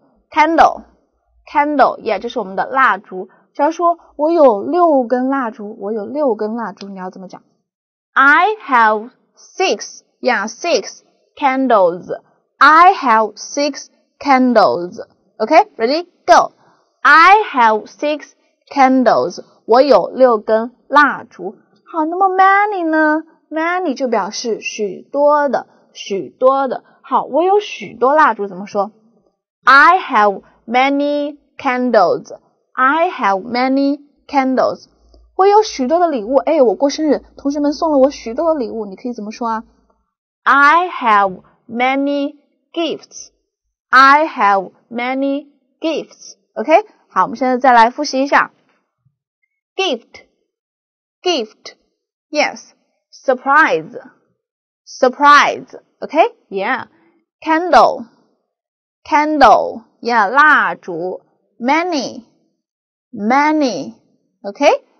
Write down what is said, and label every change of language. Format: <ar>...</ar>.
<zh>candle, yeah, 这是我们的蜡烛。假如说我有六根蜡烛，我有六根蜡烛，你要怎么讲？</zh> <en>I have six, yeah, six candles. I have six candles. OK, ready, go. I have six</en> <zh>candles， 我有六根蜡烛。好，那么 many 呢？ many 就表示许多的，许多的。好，我有许多蜡烛怎么说？</zh> <en>I have many candles， I have many candles，</en> <zh>我有许多的礼物。哎，我过生日，同学们送了我许多的礼物，你可以怎么说啊？</zh> <en>I have many gifts， I have many gifts， OK。</en> <zh>好，我们现在再来复习一下</zh> <en>gift， gift， yes， surprise， surprise， OK， yeah， candle， candle， yeah， 蜡烛， many， many， OK。</en>